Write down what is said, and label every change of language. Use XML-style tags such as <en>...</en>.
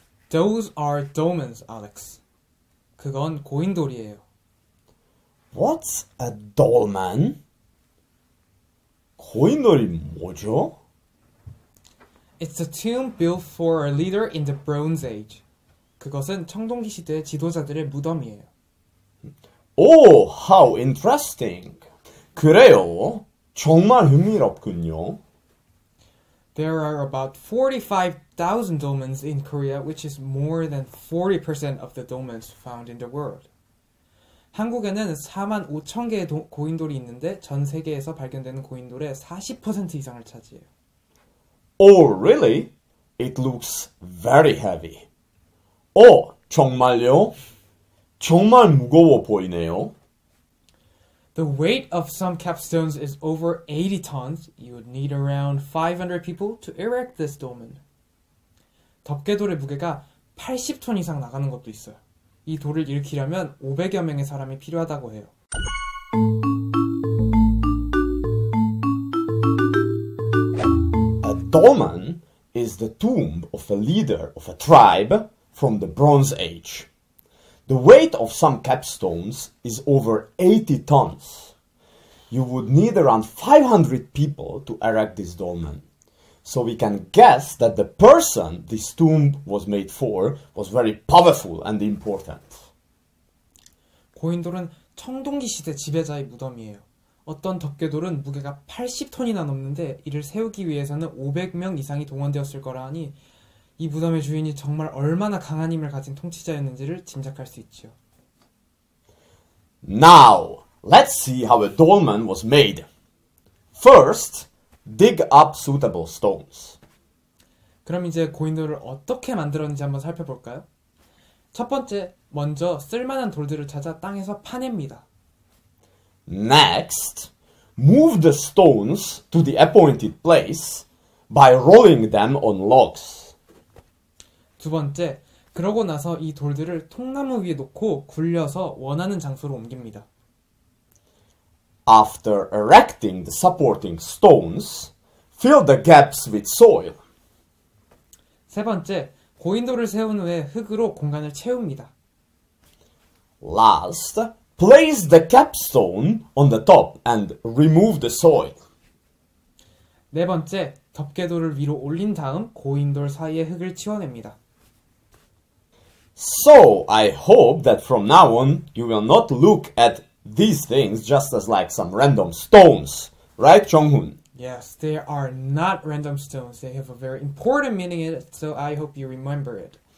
<en>Those are dolmens, Alex.</en> <ko>그건 고인돌이에요.</ko> <en>What's a dolmen?</en> <ko>고인돌이 뭐죠?</ko> <en>It's a tomb built for a leader in the Bronze Age.</en> <ko>그것은 청동기 시대 지도자들의 무덤이에요. Oh, how interesting. 그래요. 정말 흥미롭군요.</ko> <en>There are about 45,000 dolmens in Korea, which is more than 40% of the dolmens found in the world.</en> <ko>한국에는 4만 5천 개의 고인돌이 있는데 전 세계에서 발견되는 고인돌의 40% 이상을 차지해요.</ko> <en>Oh, really? It looks very heavy.</en> <ko>어, 정말요? 정말 무거워 보이네요.</ko> <en>The weight of some capstones is over 80 tons. You would need around 500 people to erect this dolmen.</en> <ko>덮개돌의 무게가 80톤 이상 나가는 것도 있어요. 이 돌을 일으키려면 500여 명의 사람이 필요하다고 해요.</ko> <en>A dolmen is the tomb of a leader of a tribe from the Bronze Age. The weight of some capstones is over 80 tons. You would need around 500 people to erect this dolmen. So we can guess that the person this tomb was made for was very powerful and important.</en> <ko>고인돌은 청동기 시대 지배자의 무덤이에요. 어떤 덮개돌은 무게가 80톤이나 넘는데 이를 세우기 위해서는 500명 이상이 동원되었을 거라 하니 이 무덤의 주인이 정말 얼마나 강한 힘을 가진 통치자였는지를 짐작할 수 있죠.</ko> <en>Now, let's see how a dolmen was made. First, dig up suitable stones.</en> <ko>그럼 이제 고인돌을 어떻게 만들었는지 한번 살펴볼까요? 첫 번째, 먼저 쓸만한 돌들을 찾아 땅에서 파냅니다.</ko> <en>Next, move the stones to the appointed place by rolling them on logs.</en> <ko>두 번째, 그러고 나서 이 돌들을 통나무 위에 놓고 굴려서 원하는 장소로 옮깁니다.</ko> <en>After erecting the supporting stones, fill the gaps with soil.</en> <ko>세 번째, 고인돌을 세운 후에 흙으로 공간을 채웁니다.</ko> <en>Last, place the capstone on the top and remove the soil.</en> <ko>네 번째, 덮개돌을 위로 올린 다음 고인돌 사이에 흙을 치워냅니다.</ko> <en>So, I hope that from now on, you will not look at these things just as like some random stones, right, Jonghun? Yes, they are not random stones. They have a very important meaning in it, so I hope you remember it.</en>